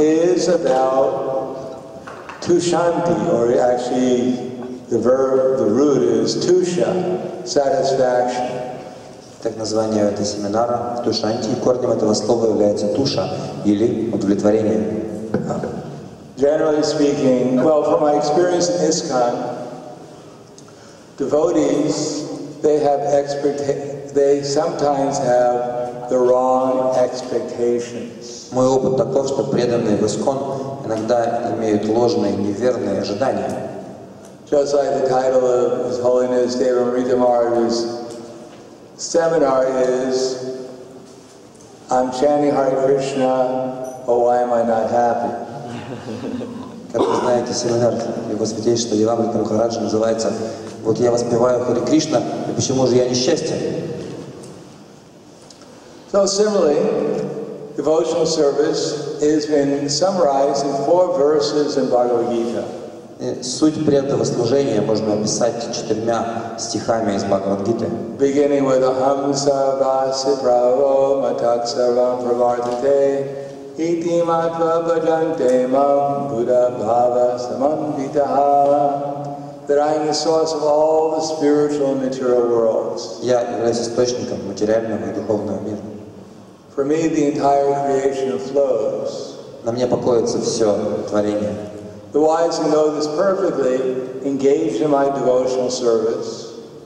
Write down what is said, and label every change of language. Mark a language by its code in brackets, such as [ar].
[en] is about tushanti, or actually the verb, the root is tusha, satisfaction. [ru] Так название этого семинара тушанти, корнем этого слова является туша или удовлетворение. [en] Generally speaking, well, from my experience in ISKCON, devotees, they sometimes have the wrong expectations. [ru] Мой опыт таков, что преданные в ИСКОН иногда имеют ложные, неверные ожидания. [en] Just like the title of His Holiness Devamrita Maharaj's seminar is, I'm chanting Hare Krishna, but why am I not happy? [ru] Как вы знаете, семинар Его Святейшества Девамрита Махараджа называется «Вот я воспеваю Хари Кришна, и почему же я несчастен?» [en] So similarly, devotional service has been summarized in four verses in Bhagavad Gita. [ru] Суть преданного служения можно описать четырьмя стихами из Бхагавад Гиты. [sa] Beginning with Aham Sarvasi Bravo Matat Sarvam Pravartate Iti Matva Bhajante Mam Buddha Bhava Samambitaha. [en] That I am the source of all the spiritual and material worlds. [ru] Я являюсь источником материального и духовного мира. [en] For me, the entire creation flows. [ru] На мне покоится все творение. [en] The wise who know this perfectly engage in my devotional service.